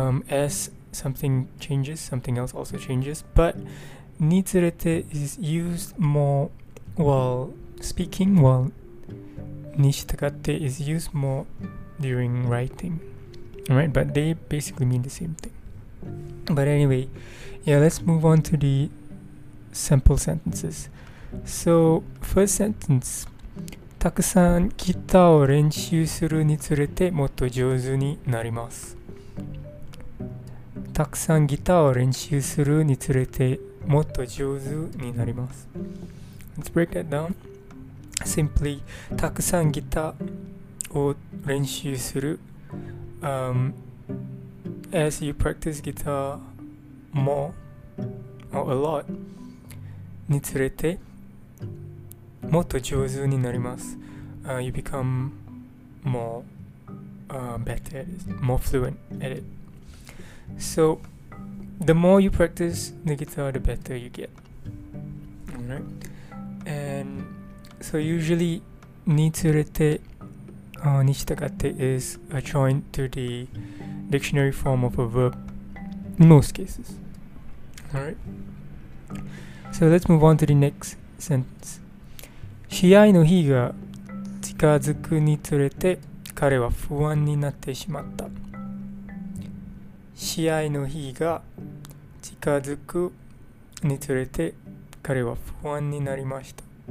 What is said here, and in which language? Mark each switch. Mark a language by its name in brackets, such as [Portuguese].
[English] As something changes, something else also changes, but niturete is used more while speaking, while nishitagatte is used more during writing. Alright, but they basically mean the same thing. But anyway, yeah, let's move on to the sample sentences. So, first sentence. [Japanese] たくさんギターを練習するにつれてもっと上手になります。たくさんギターを練習するにつれてもっと上手になります。 [English] Let's break that down. Simply, [Japanese] たくさんギターを練習する。 [English] As you practice guitar more or a lot, [Japanese] につれてもっと上手になります。 [English] You become more better at it, more fluent at it. So, the more you practice the guitar, the better you get. Alright? And so usually, niturete o nishitagatte is a joined to the dictionary form of a verb, in most cases. Alright? So let's move on to the next sentence. [Japanese] 試合の日が近づくにつれて彼は不安になってしまった。試合の日が近づくにつれて彼は不安になりました。